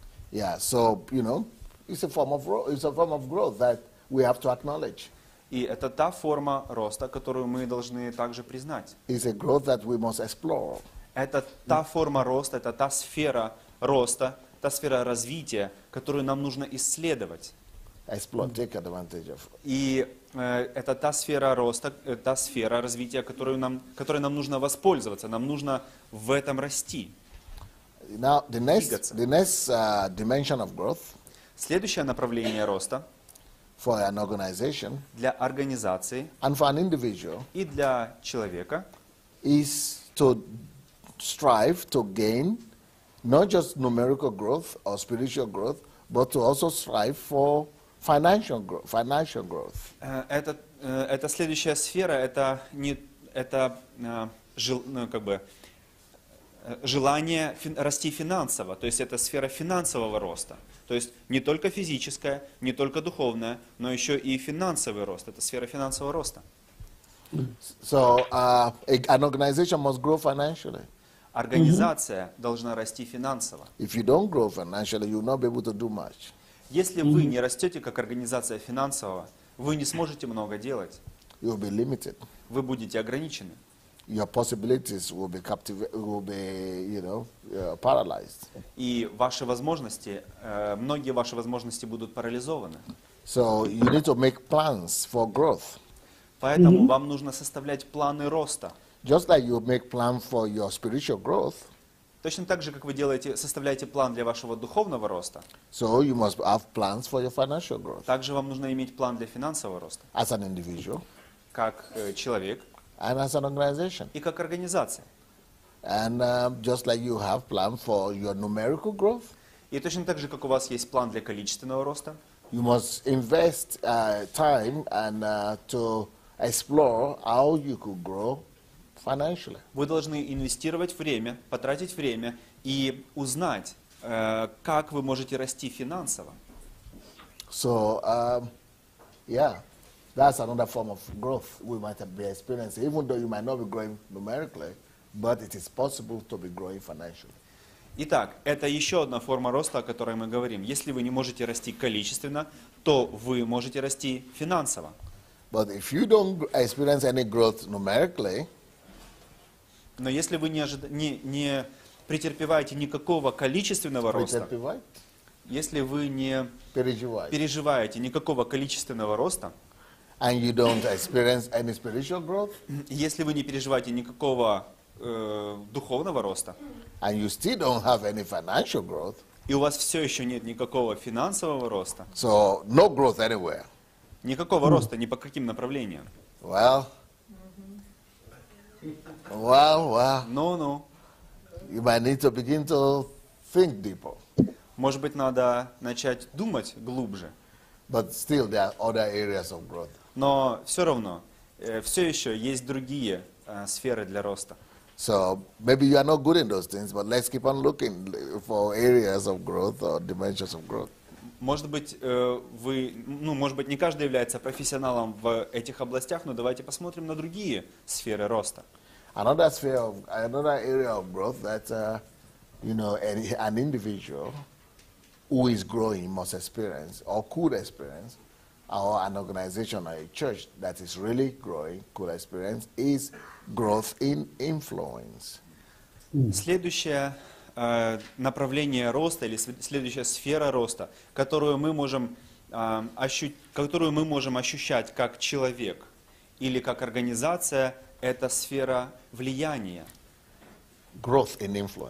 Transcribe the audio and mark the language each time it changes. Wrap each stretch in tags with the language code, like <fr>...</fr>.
<en>Yeah, so you know, it's a form of growth that we have to acknowledge.</en> <ru>И это та форма роста, которую мы должны также признать.</ru> <en>It's a growth that we must explore.</en> <ru>Это та форма роста, это та сфера роста, та сфера развития, которую нам нужно исследовать.</ru> <en>Explore, take advantage of.</en> <ru>И это та сфера роста, та сфера развития, которой нам нужно воспользоваться, нам нужно в этом расти.</ru> <en>Now, the next dimension of growth.</en> <ru>Следующее направление роста.</ru> <en>For an organization.</en> <ru>Для организации.</ru> <en>And for an individual.</en> <ru>И для человека.</ru> <en>Is to strive to gain not just numerical growth or spiritual growth, but to also strive for financial growth.</en> <ru>Это следующая сфера. Это не это желание расти финансово. То есть это сфера финансового роста. То есть не только физическое, не только духовное, но еще и финансовый рост. Это сфера финансового роста.</ru> <en>So an organization must grow financially.</en> <ru>Организация должна расти финансово.</ru> <en>If you don't grow financially, you'll not be able to do much.</en> <ru>Если вы не растете как организация финансового, вы не сможете много делать.</ru> <en>You'll be limited.</en> <ru>Вы будете ограничены.</ru> <en>your possibilities will be paralyzed.</en> <ru>И ваши возможности, многие ваши возможности будут парализованы.</ru> <en>So you need to make plans for growth.</en> <ru>Поэтому mm-hmm. вам нужно составлять планы роста.</ru> <en>Just like you make plan for your spiritual growth.</en> <ru>Точно так же, как вы делаете, составляете план для вашего духовного роста.</ru> <en>So you must have plans for your financial growth.</en> <ru>Также вам нужно иметь план для финансового роста.</ru> <en>As an individual.</en> <ru>Как человек.</ru> <en>And as an organization.</en> <ru>И как организация.</ru> <en>And just like you have plan for your numerical growth.</en> <ru>И точно так же, как у вас есть план для количественного роста.</ru> <en>You must invest time and to explore how you could grow financially.</en> <ru>Вы должны инвестировать время, потратить время и узнать, как вы можете расти финансово.</ru> <en>So, yeah, that's another form of growth we might be experiencing, even though you might not be growing numerically, but it is possible to be growing financially.</en> <ru>Итак, это еще одна форма роста, о которой мы говорим. Если вы не можете расти количественно, то вы можете расти финансово.</ru> <en>But if you don't experience any growth numerically,</en> <ru>но если вы не претерпеваете никакого количественного роста, если вы не переживаете никакого количественного роста,</ru> <en>and you don't experience any spiritual growth,</en> <ru>если вы не переживаете никакого духовного роста,</ru> <en>and you still don't have any financial growth,</en> <ru>и у вас все еще нет никакого финансового роста,</ru> <en>so no growth anywhere.</en> <ru>Никакого роста ни по каким направлениям.</ru> <en>Well, well, well. No, no. You might need to begin to think deeper.</en> <ru>Может быть, надо начать думать глубже.</ru> <en>But still, there are other areas of growth.</en> <ru>Но все равно, все еще есть другие сферы для роста.</ru> <en>So maybe you are not good in those things, but let's keep on looking for areas of growth or dimensions of growth.</en> <ru>Может быть, вы, ну, может быть, не каждый является профессионалом в этих областях, но давайте посмотрим на другие сферы роста.</ru> <en>Another sphere of, another area of growth that you know, an individual who is growing must experience or could experience, or an organization or a church that is really growing could experience is growth in influence.</en> <ru>Следующее направление роста или следующая сфера роста, которую мы можем ощущать как человек или как организация, это сфера влияния.</ru> <en>Growth in influence.</en>